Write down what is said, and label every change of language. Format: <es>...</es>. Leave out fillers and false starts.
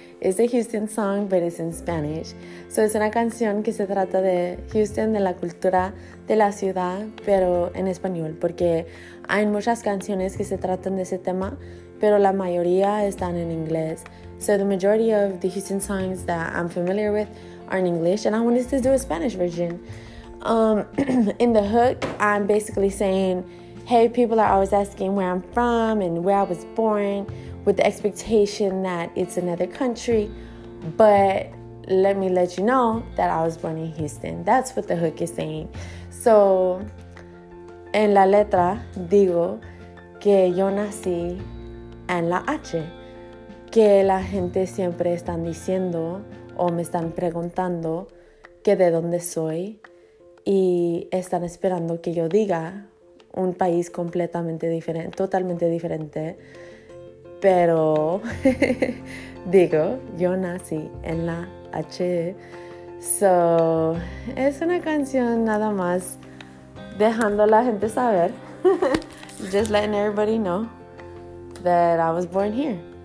<en>It's a Houston song, but it's in Spanish.</en> <es>So es una canción que se trata de Houston, de la cultura de la ciudad, pero en español, porque hay muchas canciones que se tratan de ese tema, pero la mayoría están en inglés.</es> <en>So the majority of the Houston songs that I'm familiar with are in English, and I wanted to do a Spanish version. In the hook, I'm basically saying, hey, people are always asking where I'm from and where I was born, with the expectation that it's another country, but let me let you know that I was born in Houston. That's what the hook is saying.</en> <es>So, en la letra digo que yo nací en la H, que la gente siempre están diciendo o me están preguntando que de dónde soy y están esperando que yo diga un país completamente diferente, totalmente diferente. Pero, digo, yo nací en la H. So, es una canción nada más dejando la gente saber.</es> <en>Just letting everybody know that I was born here.</en>